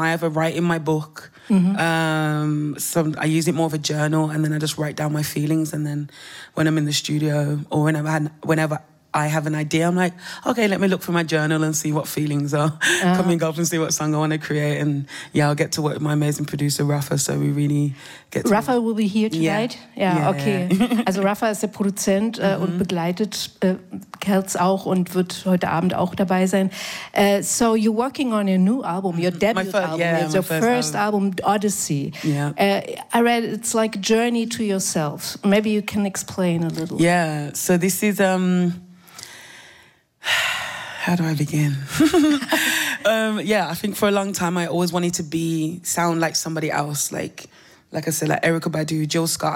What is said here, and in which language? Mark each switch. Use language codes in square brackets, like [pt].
[en] I have a write in my book. I use it more of a journal and then I just write down my feelings and then when I'm in the studio or whenever I have an idea, I'm like, okay, let me look for my journal and see what feelings are coming up and see what song I want to create. And I'll get to work with my amazing producer, Rafa. So we really get to Rafa will be here tonight? [de] Also Rafa ist der Produzent und begleitet Kells auch und wird heute Abend auch dabei sein. [en] So you're working on your new album, your debut album, Odyssey. Yeah. I read it's like a journey to yourself. Maybe you can explain a little. Yeah, so this is... How do I begin? yeah, I think for a long time I always wanted to be sound like somebody else, like I said, like Erykah Badu, Jill Scott.